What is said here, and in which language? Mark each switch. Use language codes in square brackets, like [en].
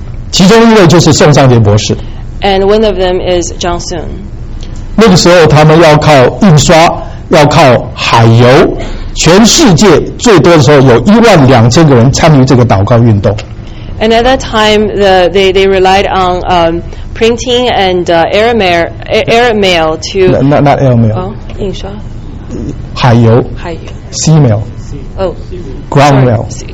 [zh] 其中一位就是宋尚杰博士。 [en] And one of them is John Soon. [zh] 那个时候他们要靠印刷，要靠海游，全世界最多的时候有12000个人参与这个祷告运动。 [en] And at that time, they relied on printing and air mail to not air mail [zh] 印刷， [en] 海游 sea mail ground mail